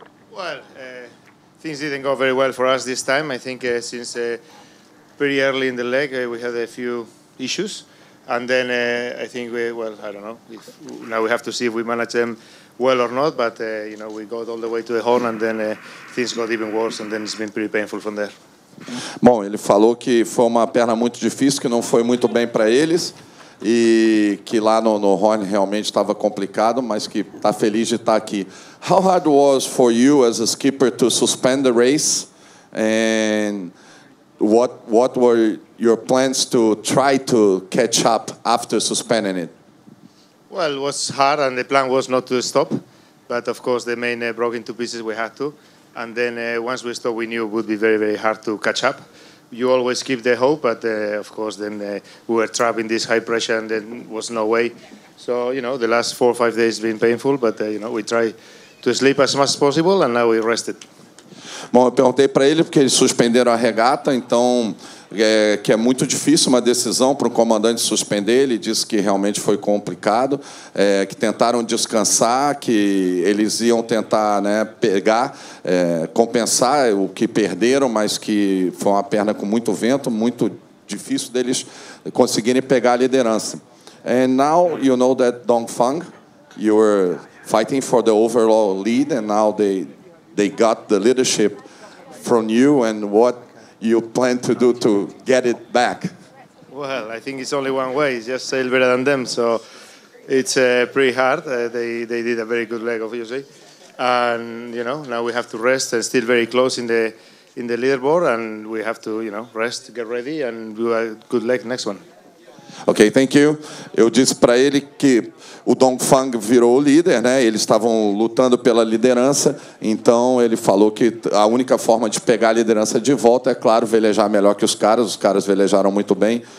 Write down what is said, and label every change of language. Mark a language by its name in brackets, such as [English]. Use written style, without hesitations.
[English] Well, things didn't go very well for us this time. I think since pretty early in the leg, we had a few issues. And then I think we have to see if we manage them well or not. But, we got all the way to the horn, and then things got even worse, and then it's been pretty painful from there. [Portuguese] Bom, ele falou que foi uma perna muito difícil, que não foi muito bem para eles e que lá no Horn realmente estava complicado, mas que está feliz de estar aqui. [English] How hard was for you as a skipper to suspend the race, and what were your plans to try to catch up after suspending it? Well, it was hard, and the plan was not to stop, but of course the main broke into pieces, we had to. And then once we stopped, we knew it would be very, very hard to catch up. You always keep the hope, but of course, then we were trapped in this high pressure and there was no way. So, the last 4 or 5 days have been painful, but we try to sleep as much as possible, and now we rested. [Portuguese] Bom, eu perguntei para ele porque eles suspenderam a regata, então que é muito difícil uma decisão para o comandante suspender. Ele disse que realmente foi complicado, que tentaram descansar, que eles iam tentar, né, pegar, compensar o que perderam, mas que foi uma perna com muito vento, muito difícil deles conseguirem pegar a liderança. [English] And now you know that Dongfang, you were fighting for the overall lead, and now they got the leadership from you, and what you plan to do to get it back? Well, I think it's only one way, it's just sail better than them, so it's pretty hard. They did a very good leg, obviously, and you know, now we have to rest and still very close in the leaderboard, and we have to, you know, rest, get ready, and do a good leg next one. Ok, thank you. [Portuguese] Eu disse para ele que o Dongfang virou o líder, né? Eles estavam lutando pela liderança, então ele falou que a única forma de pegar a liderança de volta é, claro, velejar melhor que os caras velejaram muito bem.